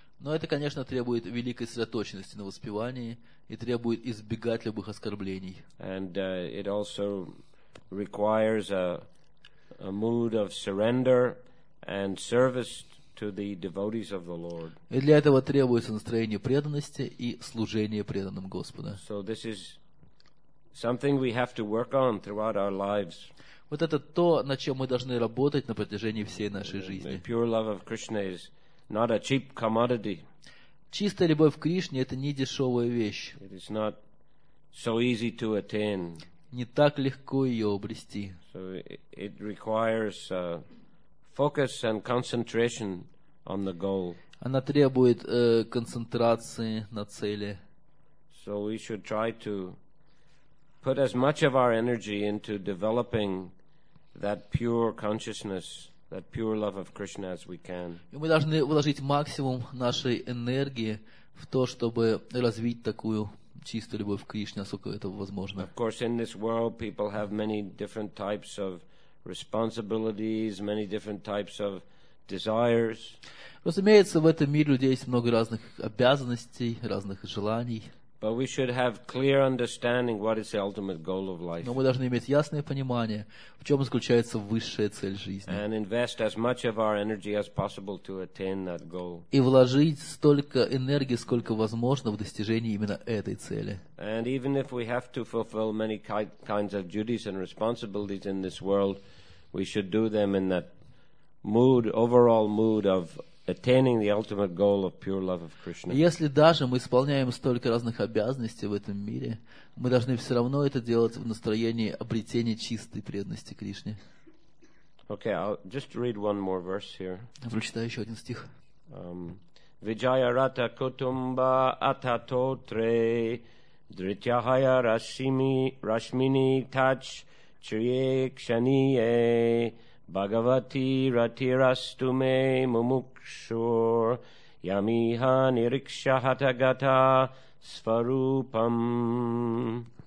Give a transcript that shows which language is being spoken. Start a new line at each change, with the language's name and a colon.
Russian: Но это, конечно, требует великой сосредоточенности на воспевании и требует избегать любых оскорблений.
English: And it also requires a mood of surrender and service to the devotees of the Lord.
Russian: И для этого требуется настроение преданности и служение преданным Господа.
English: So this is something we have to work on throughout our lives.
Russian: Вот это то, на чем мы должны работать на протяжении всей нашей жизни.
English: Pure love of Krishna is not a cheap commodity.
Russian: Чистая любовь к Кришне — это не дешевая вещь.
English: It is not so easy to attain.
Russian: Не так легко ее обрести.
English: So it requires focus and concentration on the goal.
Russian: Она требует концентрации на цели.
English: So we should try to put as much of our energy into developing that pure consciousness, that pure love of Krishna as we can.
Russian: И мы должны вложить максимум нашей энергии в то, чтобы развить такую чистую любовь к Кришне, насколько это возможно.
English: Of course, in this world, people have many different types of responsibilities, many different types of desires.
Russian: Разумеется, в этом мире у людей есть много разных обязанностей, разных желаний.
English: But we should have clear understanding what is the ultimate goal of life.
Russian: Но мы должны иметь ясное понимание, в чем заключается высшая цель жизни.
English: And invest as much of our energy as possible to attain that goal.
Russian: И вложить столько энергии, сколько возможно, в достижение именно этой цели.
English: And even if we have to fulfill many kinds of duties and responsibilities in this world, we should do them in that mood, overall mood of attaining the ultimate goal of pure love of Krishna.
Russian: Если даже мы исполняем столько разных обязанностей в этом мире, мы должны все равно это делать в настроении обретения чистой преданности Кришне.
English: Okay, I'll just read one more verse here.
Russian: Прочитаю еще один стих.
Sanskrit: Vijayarata kutumba atatotre drityahaya rashmi rashmini tach chriyekshaniye Bhagavati ratirastu me mumukshur yamiha niriksha hatagata svarupam.